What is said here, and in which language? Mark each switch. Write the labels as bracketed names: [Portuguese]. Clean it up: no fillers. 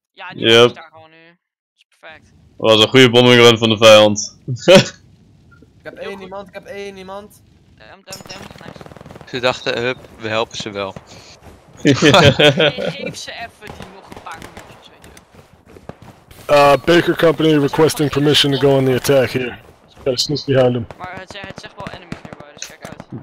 [Dutch] Ja, niemand is daar gewoon nu. Dat is perfect. Dat was een goede bom in run van de vijand. Ik heb één iemand. Nice. Ze dachten, hup, we helpen ze wel. Geef ze even die nog een paar minuutjes, weet je. [English] Baker Company requesting permission to go on the attack here. Gotta sneak behind them. [Dutch] Maar het zegt wel enemies nearby, dus check out.